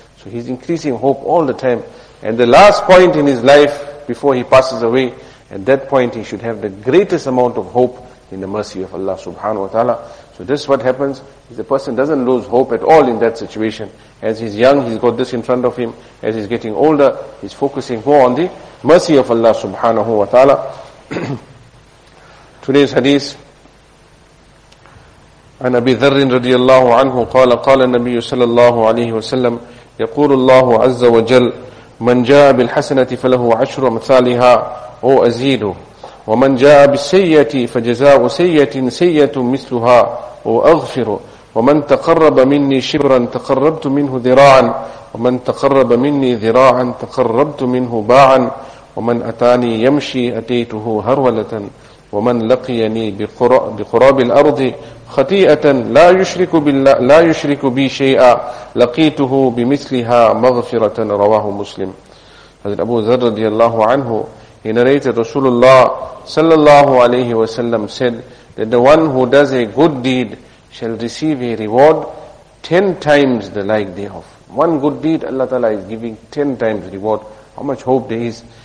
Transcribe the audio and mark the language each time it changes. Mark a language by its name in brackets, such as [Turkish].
[English] So he's increasing hope all the time. And the last point in his life before he passes away, at that point he should have the greatest amount of hope in the mercy of Allah subhanahu wa ta'ala. So this is what happens, is the person doesn't lose hope at all in that situation. As he's young, he's got this in front of him. As he's getting older, he's focusing more on the mercy of Allah subhanahu wa ta'ala. Today's hadith, [Arabic] عن أبي ذر رضي الله عنه قال قال النبي صلى الله عليه وسلم يقول الله عز وجل من جاء بالحسنة فله عشر مثالها أو أزيد ومن جاء بالسيئة فجزاء سيئة سيئة مثلها أو أغفر ومن تقرب مني شبرا تقربت منه ذراعا ومن تقرب مني ذراعا تقربت منه باعا ومن أتاني يمشي أتيته هرولة ومن لقيني بقراب الأرض خطيئة لا يشرك بالله لا يشرك بي شيئا لقيته بمثلها مغفرة رواه مسلم. حضرت أبو ذر رضي الله عنه, [English] he narrated Rasulullah sallallahu alayhi wa sallam said that the one who does a good deed shall receive a reward 10 times the like thereof. One good deed, Allah Ta'ala is giving 10 times reward. How much hope there is.